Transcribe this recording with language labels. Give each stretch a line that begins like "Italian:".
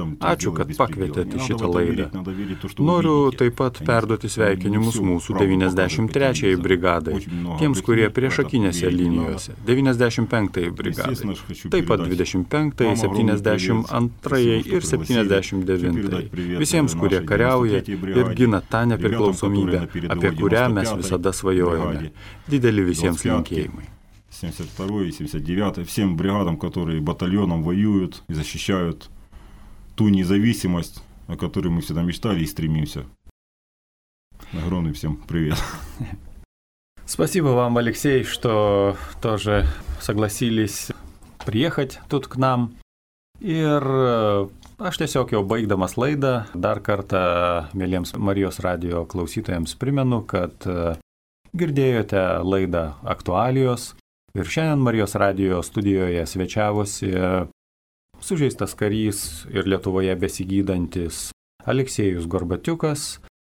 Lithuanian: Ačiū, kad pakvietėte šitą laidą. Noriu taip pat perduoti sveikinimus mūsų 93-ai brigadai, tiems, kurie priešakinėse linijose, 95-ai brigadai, taip pat 25-ai, 72-ai ir 79-ai. Visiems, kurie kariauja ir gina tą nepriklausomybę, apie kurią mes visada svajojame. Dideli visiems linkėjimai.
Russian: 72-й, 79-й, всем бригадам, которые батальоном воюют и защищают ту независимость, о которой мы всегда мечтали и стремимся. Огромный всем привет. Спасибо вам, Алексей, что тоже согласились приехать тут к нам.
Lithuanian: И aš tiesiog jau baigdamas laidą, dar kartą mėlyjams Marijos radio klausytojams primenu, kad girdėjote laidą Aktualijos. Ir šiandien Marijos radio studijoje svečiavosi sužeistas karys ir Lietuvoje besigydantis Aleksejus Gorbačiukas.